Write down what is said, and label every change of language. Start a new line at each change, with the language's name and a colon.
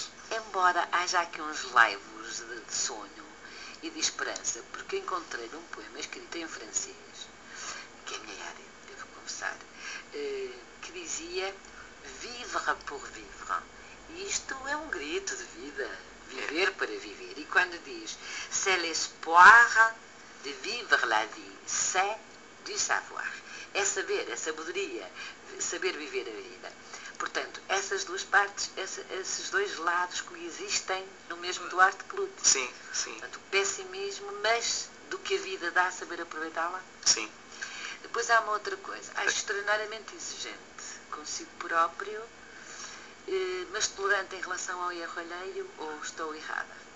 Portuguese: Embora haja aqui uns laivos de sonho e de esperança, porque encontrei um poema escrito em francês, que é a minha área, devo confessar, que dizia
French: vivre pour vivre.
Portuguese: Isto é um grito de vida, viver para viver. E quando diz
French: c'est l'espoir de vivre la vie, c'est du savoir.
Portuguese: É saber, é sabedoria, saber viver a vida. Portanto, essas duas partes, esses dois lados coexistem no mesmo Duarte Clouto. Sim. Portanto, pessimismo, mas do que a vida dá, saber aproveitá-la. Sim. Depois há uma outra coisa. Acho extraordinariamente exigente consigo próprio, mas tolerante em relação ao erro alheio, ou estou errada?